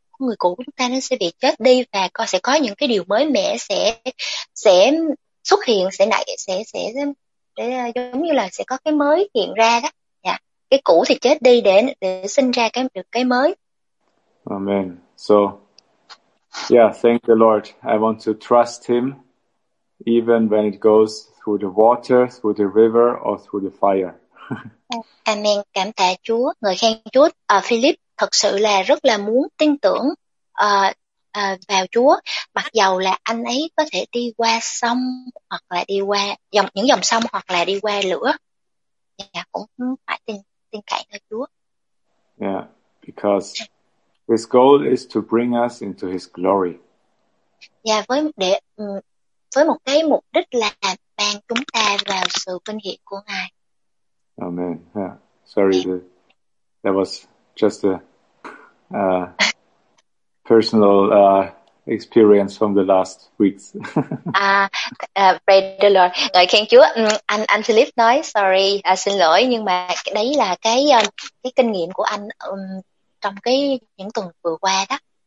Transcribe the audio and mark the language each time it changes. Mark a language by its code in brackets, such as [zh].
[vi] Người cũ chúng ta nó sẽ bị chết đi, và con sẽ có những cái điều mới mẻ sẽ xuất hiện, sẽ giống như là sẽ có cái mới hiện ra đó. Cái cũ thì chết đi để sinh ra cái mới. [en] Amen. So yeah, thank the Lord. I want to trust him even when it goes through the water, through the river or through the fire. Amen. [vi] Cảm tạ Chúa, ngợi khen Chúa. Philip thật sự là rất là muốn tin tưởng vào Chúa, mặc dầu là anh ấy có thể đi qua sông hoặc là đi qua những dòng sông hoặc là đi qua lửa, cũng phải tin cậy nơi Chúa. [en] Yeah, because his goal is to bring us into his glory. [vi] Với một cái mục đích là mang chúng ta vào sự vinh hiển của Ngài. Amen. Yeah. [en] Sorry, that was just a personal experience from the last weeks. praise the Lord. [vi] Ngợi khen Chúa. Anh Philip nói sorry, xin lỗi, nhưng mà đấy là cái kinh nghiệm của anh trong cái những tuần vừa qua đó.